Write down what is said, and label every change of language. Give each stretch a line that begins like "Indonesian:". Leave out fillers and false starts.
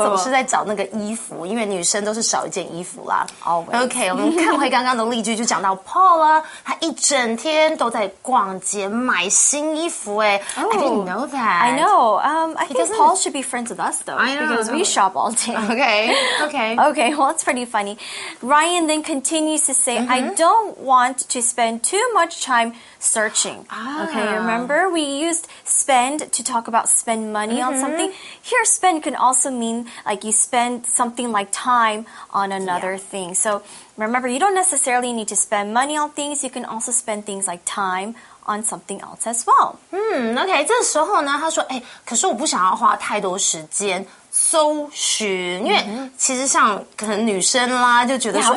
Chinese: 我总是在找那个衣服，因为女生都是少一件衣服啦。
English: Always.
Chinese: OK, 我们看回刚刚的例句，就讲到 Paul 了，他一整天都在逛街买新衣服诶。
English: Oh, I didn't know that. I know. I think Paul should be friends with us though. I know. Because we shop all day. Okay. Okay. Okay, well, it's pretty funny. Ryan then continues to say,、mm-hmm. I don't want to spend too much time searching.、 Ah. Okay, remember we used spend to talk about spend money、mm-hmm. something. Here, spend can also mean like you spend something like time on another、yeah. thing. So remember, you don't necessarily need to spend money on things. You can also spend things like time on something else as well.
Chinese: OK, 这时候呢他说、欸、可是我不想要花太多时间搜寻，因为其实像可能女生啦就觉得说